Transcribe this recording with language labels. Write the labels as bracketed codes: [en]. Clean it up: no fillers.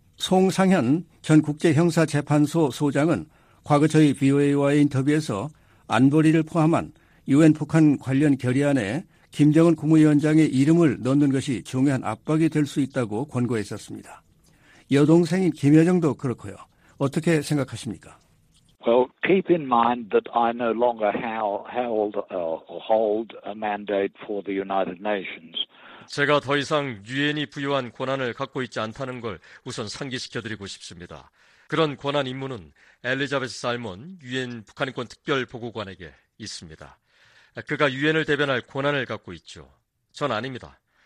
[ko] 송상현 전 국제형사재판소 소장은 과거 저희 VOA와의 인터뷰에서 안보리를 포함한 UN 북한 관련 결의안에 김정은 국무위원장의 이름을 넣는 것이 중요한 압박이 될 수 있다고 권고했었습니다. 여동생인 김여정도 그렇고요. 어떻게 생각하십니까? [en] Well, keep in mind that I no longer hold a mandate for the United Nations. [ko] 제가 더 이상 유엔이 부여한 권한을 갖고 있지 않다는 걸 우선 상기시켜드리고 싶습니다. 그런 권한 임무는 엘리자베스 살몬 유엔 북한인권 특별 보고관에게 있습니다. 그가 유엔을 대변할 권한을 갖고 있죠. 전 아닙니다.